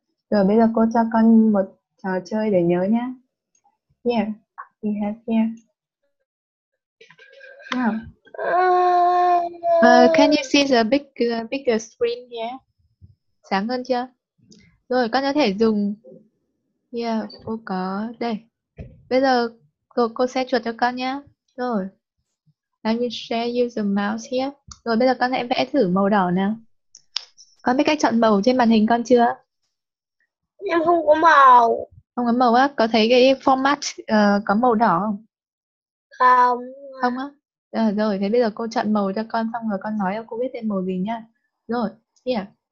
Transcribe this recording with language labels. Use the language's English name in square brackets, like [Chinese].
[Vietnamese] Rồi bây giờ cô cho con một trò chơi để nhớ nhá. [English] Here, we have here. Now, can you see the bigger screen here? [Vietnamese] Sáng hơn chưa? Rồi, con có thể dùng. Yeah, cô có. Đây, bây giờ cô sẽ chuột cho con nhá. [English] Rồi, let me share you the mouse here. [Vietnamese] Rồi, bây giờ con hãy vẽ thử màu đỏ nào. Con biết cách chọn màu trên màn hình con chưa? Em không có màu. Không có màu á? Có thấy cái format có màu đỏ không? Không. Không á? Rồi, thế bây giờ cô chọn màu cho con xong rồi con nói cho cô biết thêm màu gì nhá. Rồi, yeah.